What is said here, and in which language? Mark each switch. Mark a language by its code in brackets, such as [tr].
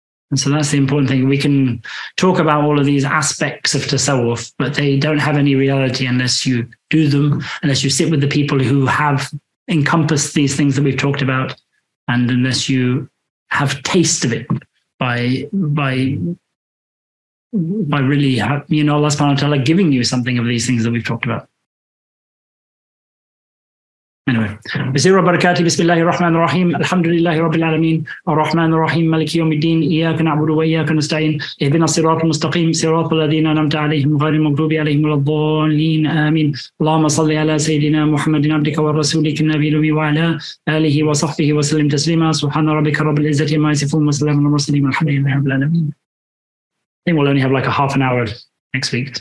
[en] And so that's the important thing. We can talk about all of these aspects of tasawwuf, but they don't have any reality unless you do them, unless you sit with the people who have encompassed these things that we've talked about, and unless you have taste of it by really, Allah subhanahu wa ta'ala giving you something of these things that we've talked about. [ar] Anyway, بسم الله وبركاته بسم الله الرحمن الرحيم الحمد لله رب العالمين الرحمن الرحيم مالك يوم الدين إياك نعبد وإياك نستعين اهدنا الصراط المستقيم صراط الذين أنعمت عليهم غير المغضوب عليهم ولا الضالين آمين اللهم صل على سيدنا محمد عبدك ورسولك النبي الأمي وعلى آله وصحبه وسلم تسليما سبحان ربك رب العزة عما يصفون وسلام على المرسلين الحمد لله رب العالمين. [en] I think we'll only have like a half an hour next week.